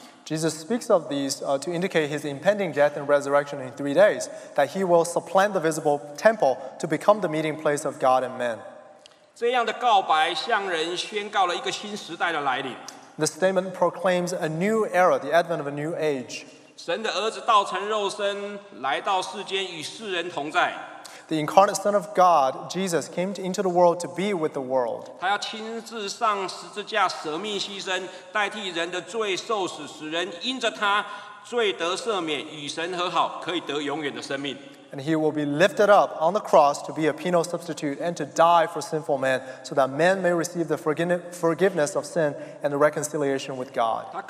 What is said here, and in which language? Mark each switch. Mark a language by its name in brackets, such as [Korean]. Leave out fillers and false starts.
[English] Jesus speaks of these to indicate his impending death and resurrection in 3 days, that he will supplant the visible temple to become the meeting place of God and men. [Chinese] 这样的告白向人宣告了一个新时代的来临。 [English] The statement proclaims a new era, the advent of a new age. [Chinese] 神的儿子道成肉身来到世间与世人同在。 [English] The incarnate Son of God, Jesus, came into the world to be with the world. [Chinese] 他要亲自上十字架舍命牺牲，代替人的罪受死，使人因着他罪得赦免，与神和好，可以得永远的生命。 [English] And he will be lifted up on the cross to be a penal substitute and to die for sinful man, so that man may receive the forgiveness of sin and the reconciliation with God.